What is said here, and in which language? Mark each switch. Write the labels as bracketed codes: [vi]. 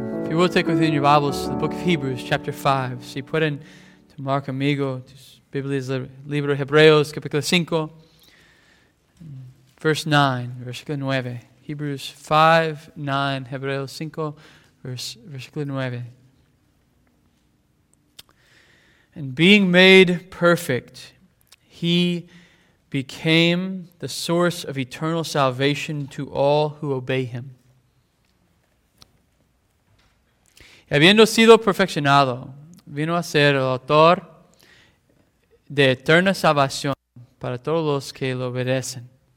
[en] you will take within your Bibles to the book of Hebrews, chapter 5. [es] Si pueden tomar conmigo tus Biblias, libro de Hebreos, capítulo 5, [en] verse 9, [es] versículo 9. Hebrews 5, 9, Hebreos 5, versículo 9. [en] And being made perfect, he became the source of eternal salvation to all who obey him. [es] Habiendo sido perfeccionado, vino a ser el autor de eterna salvación para todos los que lo obedecen.